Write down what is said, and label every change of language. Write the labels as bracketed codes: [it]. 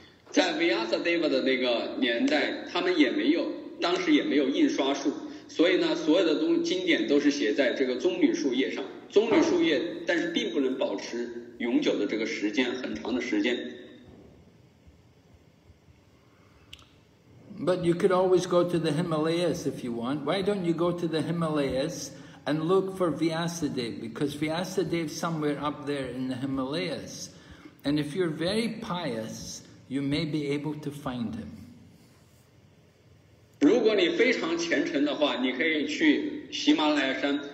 [zh] 在 Vyasadeva 的那个年代，他们也没有，当时也没有印刷术，所以呢，所有的经典都是写在这个棕榈树叶上，棕榈树叶，但是并不能保持永久的这个时间，很长的时间。 [en] But you could always go to the Himalayas if you want. Why don't you go to the Himalayas and look for Vyasadeva? Because Vyasadeva is somewhere up there in the Himalayas. And if you're very pious, you may be able to find him. [zh] 如果你非常虔诚的话，你可以去喜马拉雅山。